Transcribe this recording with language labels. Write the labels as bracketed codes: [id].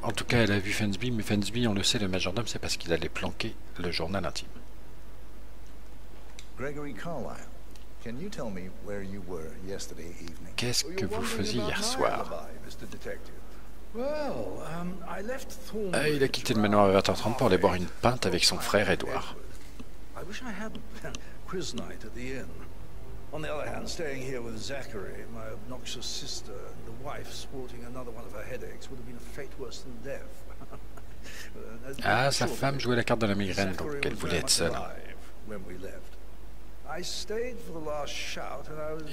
[fr] En tout cas, elle a vu Fensby, mais Fensby, on le sait, le majordome, c'est parce qu'il allait planquer le journal intime. Gregory Carlyle. [en] Can you tell me where you were yesterday evening? [fr] Qu'est-ce que vous faisiez hier soir? [en] Well, I left Thornwood. [fr] Il a quitté le manoir à 20h30 pour aller boire une pinte avec son frère Edward. [en] I wish I had quiz night at the inn. On the other hand, staying here with Zachary, my obnoxious sister, and the wife sporting another one of her headaches would have been a fate worse than death. [fr] Ah, sa femme jouait la carte de la migraine, donc elle voulait être seule. [en] When we left. I stayed for the last shout and I was